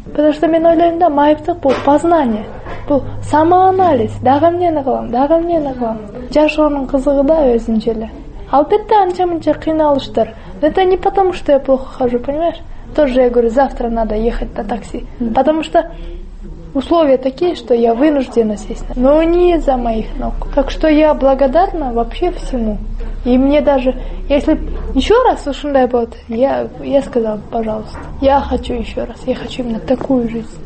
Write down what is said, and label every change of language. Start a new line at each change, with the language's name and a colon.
Russian: Потому что
Kyrgyz: мен ойлойм да, майыптык бул познание. Бул самоанализ. Дагы эмнени кылам, дагы эмнени кылам. Жашоонун кызыгы да өзүнчө эле. Албетте анча-мынча кыйналыштар.
Russian: Это не потому что я плохо хожу, понимаешь? Тоже я говорю, завтра надо ехать на такси. Потому что условия такие, что я вынуждена сесть. Но не из-за моих ног. Так что я благодарна вообще всему. И мне даже, если еще раз
Kyrgyz: ушундай болот,
Russian: я сказала, пожалуйста, я хочу еще раз, я хочу именно такую жизнь.